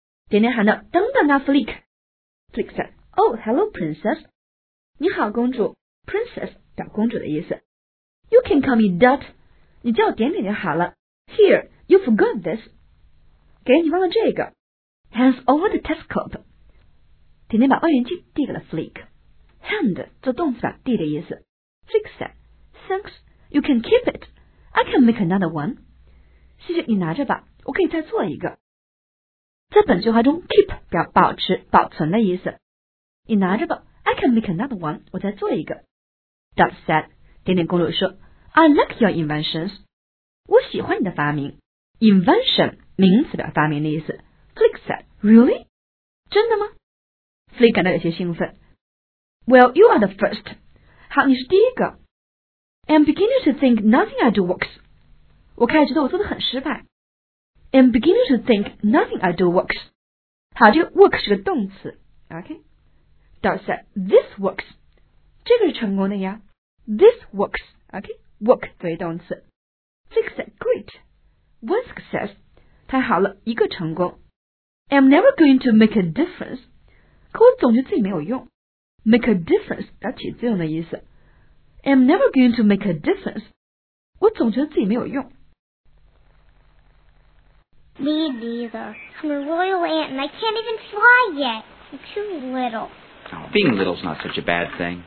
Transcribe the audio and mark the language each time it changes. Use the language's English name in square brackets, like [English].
[Chinese] Daniel 喊道，等等啊 Flick. [English] Flick said, Oh, hello, princess. [Chinese] 你好公主。 Princess, 小公主的意思。 [English] You can call me Dot. [Chinese] 你叫我点点就好了。 [English] Here, you forgot this. [Chinese] 给你忘了这个。 [English] Hands over the telescope. [Chinese] 点点把望远镜递给了 Flick. Hand, 做动词表递的意思。 [English] Flick said, Thanks, you can keep it. I can make another one. [Chinese] 谢谢你拿着吧，我可以再做一个。在本句话中 keep 表保持保存的意思。你拿着吧， [English] I can make another one, [Chinese] 我再做一个。 [English] Dot said, [Chinese] 点点公主说 [English] I like your inventions. [Chinese] 我喜欢你的发明。 Invention, 名词表发明的意思。 [English] Flick said, Really? [Chinese] 真的吗？ Flick 感到有些兴奋。 [English] Well, you are the first. [Chinese] 好，你是第一个。 [English] I'm beginning to think nothing I do works. [Chinese] 我开始觉得我做得很失败。 [English] I'm beginning to think nothing I do works. [Chinese] 好，这个 work 是个动词。 [English] OK? Dot said, This works. [Chinese] 这个是成功的呀。 [English] This works, OK? Work [Chinese] 作为动词。 [English] Flick said, great. One success. [Chinese] 太好了，一个成功。 [English] I'm never going to make a difference. [Chinese] 可我总觉得自己没有用。 [English] Make a difference, [Chinese] 表起作用的意思。 [English] I'm never going to make a difference. [Chinese] 我总觉得自己没有用。 [English] Me neither. I'm a royal ant and I can't even fly yet. I'm too little. Oh, being little's not such a bad thing.